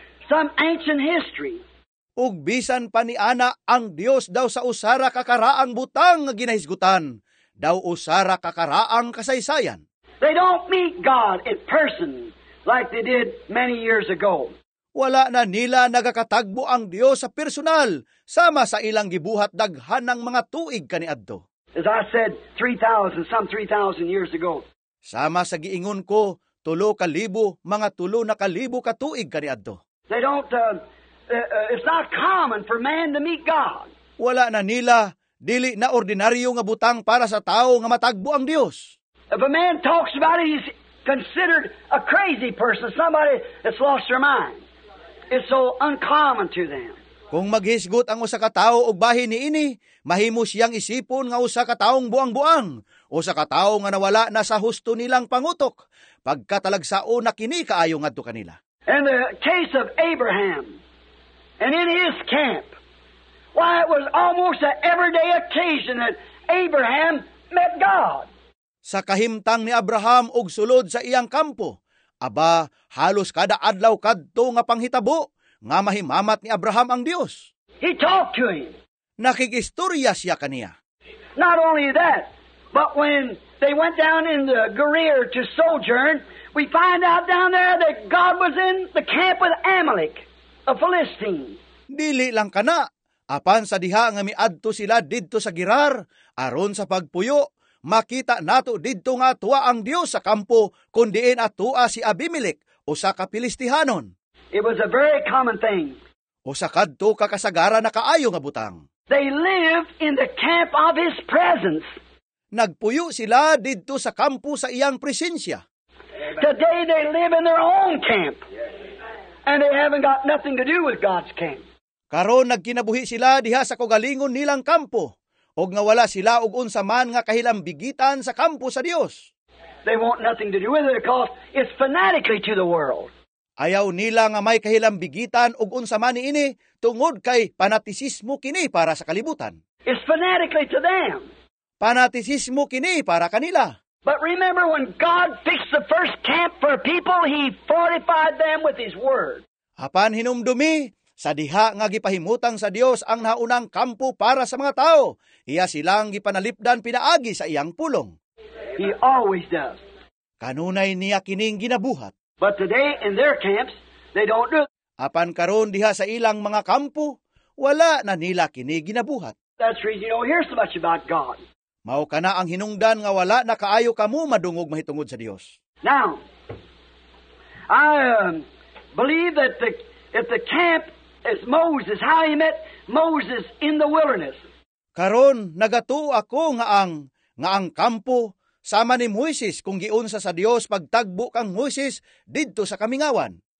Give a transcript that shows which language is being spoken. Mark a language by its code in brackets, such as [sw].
[en] Some ancient history. [ceb] Ug bisan pa ni ana ang Dios daw sa usara kakaraang butang nga ginahisgutan, daw usara kakaraang kasaysayan. [en] They don't meet God in person like they did many years ago. [ceb] Wala na nila nagakatagbo ang Dios sa personal sama sa ilang gibuhat daghan ng mga tuig kaniadto. [en] As I said, 3,000, some 3,000 years ago. [ceb] Sama sa giingon ko, 3,000, mga 3,000 ka tuig kaniadto. [en] They don't, it's not common for man to meet God. [ceb] Wala na nila, dili na ordinaryo nga butang para sa tao nga matagbo ang Dios. [en] If a man talks about it, he's considered a crazy person, somebody that's lost their mind. It's so uncommon to them. [ceb] Kung maghisgot ang usa ka tawo og bahin niini, mahimo siyang isipon nga usa ka tawong buang-buang, usa ka tawo nga nawala na sa husto nilang pangutok, pagkatalagsaon na kini kaayo ngadto kanila. [en] In the case of Abraham, and in his camp, why it was almost an everyday occasion that Abraham met God. [ceb] Sa kahimtang ni Abraham og sulod sa iyang kampo, aba, halos kada adlaw kadto nga panghitabo, nga mahimamat ni Abraham ang Dios. [en] He talked to him. [ceb] Nakigistorya siya kaniya. [en] Not only that, but when they went down in the Gerar to sojourn, we find out down there that God was in the camp with Amalek, a Philistine. [ceb] Dili lang kana, apan sa diha nga miadto sila didto sa Gerar, aron sa pagpuyo, makita nato didto nga tua ang Dios sa kampo kundiin atua si Abimelek usa ka Pilistihanon. [en] It was a very common thing. [ceb] Usa kadto ka kasagara na kaayo nga butang. [en] They lived in the camp of his presence. [ceb] Nagpuyo sila didto sa kampo sa iyang presensya. [en] Today they live in their own camp. And they haven't got nothing to do with God's camp. [ceb] Karon nagkinabuhi sila diha sa kogalingon nilang kampo. Og nga wala sila og unsa man nga kahilambigitan sa kampo sa Dios. [en] They want nothing to do with it because it's fanatically to the world. [ceb] Ayaw nila nga may kahilambigitan og unsa man niini tungod kay panatisismo kini para sa kalibutan. [en] It's fanatically to them. [ceb] Panatisismo kini para kanila. [en] But remember when God fixed the first camp for people, He fortified them with His word. [ceb] Apan hinumdumi, sa diha nga gipahimutang sa Dios ang naunang kampo para sa mga tao, iya silang gipanalipdan pinaagi sa iyang pulong. [en] He always does. [ceb] Kanunay niya kining ginabuhat. [en] But today in their camps, they don't do. [ceb] Apan karon diha sa ilang mga kampo, wala na nila kini ginabuhat. [en] That's the reason you don't hear so much about God. [ceb] Mao kana ang hinungdan nga wala na kaayo kamo madungog mahitungod sa Dios. [en] Now, I believe that if the camp is Moses, how he met Moses in the wilderness. [ceb] Karon nagatuo ako nga ang kampo sama ni Moses kung giunsa sa Dios pagtagbo kang Moses didto sa kamingawan.